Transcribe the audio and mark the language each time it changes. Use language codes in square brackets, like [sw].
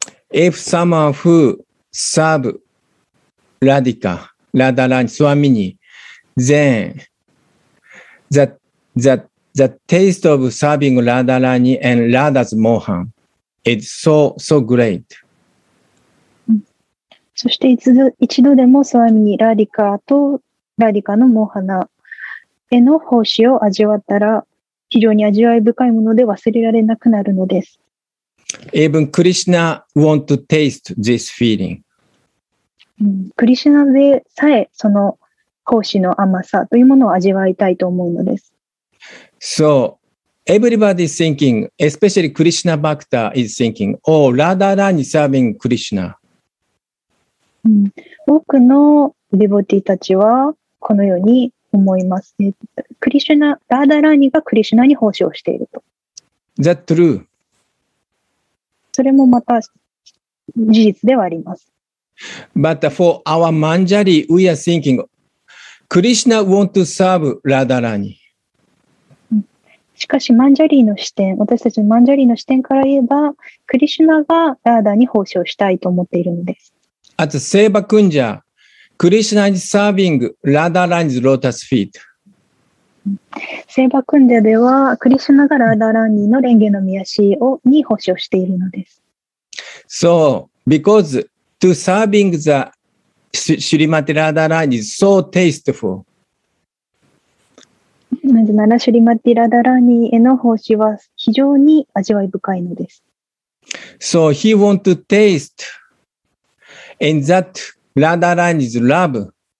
[en] If someone who serve Radhika, Radharani, Swamini, then the taste of serving Radharani and Radha's Mohan is so great. [ja] そして一度でもスワミニラディカとラディカのモハナへの奉仕を味わったら非常に味わい深いもので忘れられなくなるのです。 [en] Even Krishna want to taste this feeling. [ja] クリシュナでさえその奉仕の甘さというものを味わいたいと思うのです。 [en] So everybody is thinking, especially Krishna Bhakta is thinking, oh, Radharani serving Krishna. [ja] 多くのデボティたちはこのように思います。クリシュナ、ラダラニがクリシュナに奉仕をしていると。 [en] That true. [ja] それもまた事実ではあります。 [en] But for our Manjari, we are thinking, Krishna want to serve Radharani. [ja] しかしマンジャリーの視点、私たちのマンジャリーの視点から言えば、クリシュナがラーダに奉仕をしたいと思っているのです。 [en] あとセーバクンジャー、クリシュナ is serving ラーダラーニ's lotus feet。 [ja] セーバクンジャーでは、クリシュナがラーダラーニの蓮華の御足をに奉仕をしているのです。 [en] So, because to serving the Srimati Radharani is so tasteful. [ja] なぜならシュリマティラダラーニへの奉仕は非常に味わい深いのです。 [en] So he want to taste in that Radharani's love.